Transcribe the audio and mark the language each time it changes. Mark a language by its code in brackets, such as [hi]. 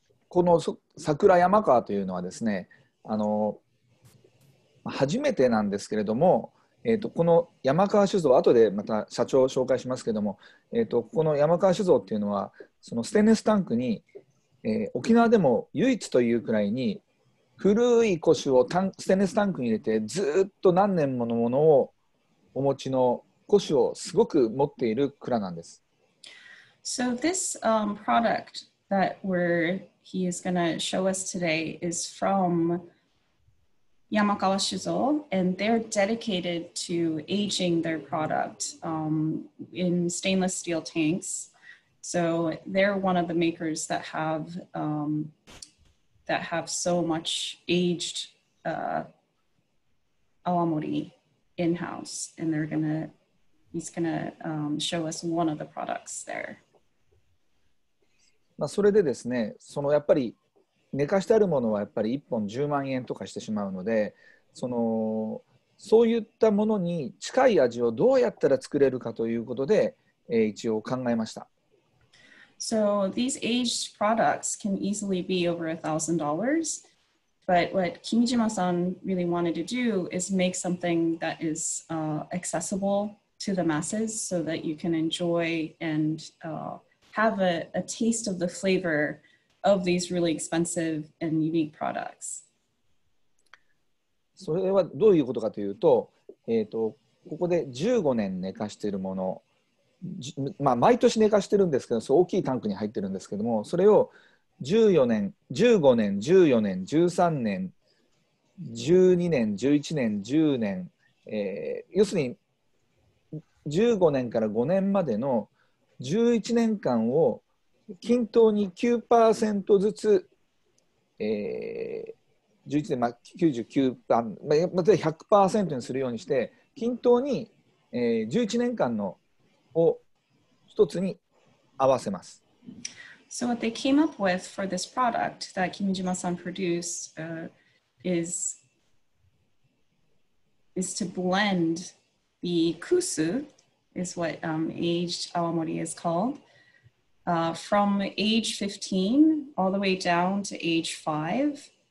[ja] この桜山川というのはですね、初めてなんですけれども、この山川酒造、後でまた社長を紹介しますけれども、この山川酒造っていうのはそのステンレスタンクに、沖縄でも唯一というくらいに古い古酒をステンレスタンクに入れてずっと何年ものものをお持ちの古酒をすごく持っている蔵なんです。 [en] So this、product that he is going to show us today is from Yamakawa Shuzo, and they're dedicated to aging their product、in stainless steel tanks. So they're one of the makers that have、so much aged、awamori in-house, and he's going to、show us one of the products there. [ja] まあ、それでですね、そのやっぱり寝かしてあるものはやっぱり1本10万円とかしてしまうので、そういったものに近い味をどうやったら作れるかということで、一応考えました。 [en] So these aged products can easily be over $1,000. But what Kimijima-san really wanted to do is make something that is、accessible to the masses so that you can enjoy and、have a taste of the flavor of these really expensive and unique products. [ja] それはどういうことかというと、ここで15年寝かしているもの、まあ、毎年寝かしてるんですけど、そう大きいタンクに入ってるんですけども、それを14年、15年、14年、13年、12年、11年、10年、要するに 15年から5年までの11年間を均等に 9% ずつ、11年、99%、また 100% にするようにして、均等に、11年間のを一つに合わせます。 [en] So what they came up with for this product that Kimijima-san produced、is to blend the kusu. Is what、aged awamori is called、from age 15 all the way down to age 5.